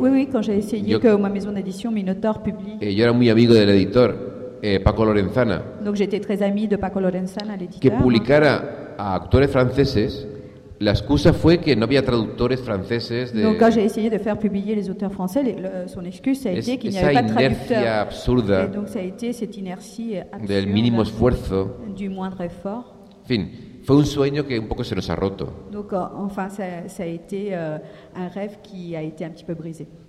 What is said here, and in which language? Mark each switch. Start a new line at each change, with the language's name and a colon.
French: quand j'ai essayé que ma maison d'édition Minotaur publie.
Spanish: Yo era muy amigo del editor, Paco Lorenzana.
French: Donc j'étais très ami de Paco Lorenzana, l'éditeur.
Spanish: Que publicara a autores franceses, la excusa fue que no había traductores franceses.
French: Donc quand j'ai essayé de faire publier les auteurs français, son excuse a été qu'il n'y avait pas de traducteur.
Spanish: Absurda.
French: Et donc ça a été cette inertie absurde.
Spanish: Del mínimo esfuerzo.
French: Du moindre effort.
Spanish: En fin, fue un sueño que un poco se nos ha roto.
French: Donc enfin ça a été un rêve qui a été un petit peu brisé.